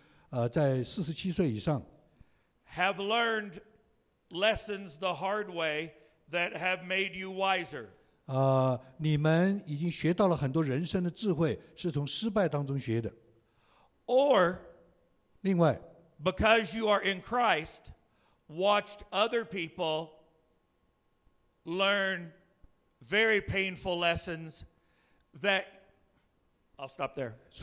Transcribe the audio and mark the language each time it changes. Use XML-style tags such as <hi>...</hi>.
<zh>我们在当中有多少人是年纪在47岁以上？</zh> <en>Have learned lessons the hard way that have made you wiser.</en> <zh>你们已经学到了很多人生的智慧，是从失败当中学的。</zh> <en>Or,</en> <zh>另外,</zh> <en>because you are in Christ, watched other people learn very painful lessons that I'll stop there.</en>